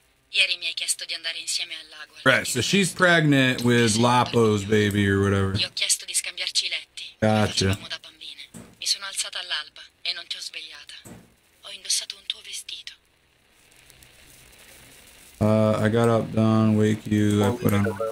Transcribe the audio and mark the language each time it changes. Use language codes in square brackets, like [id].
[it] Ieri mi hai chiesto di andare insieme al lago. [en] Right, so she's pregnant with Lapo's baby or whatever. [it] Ti ho chiesto di scambiarci i letti. [en] Gotcha. [it] Mi sono alzata all'alba e non ti ho svegliata. Ho indossato un tuo vestito. [en] I got up, done, wake you, I put on...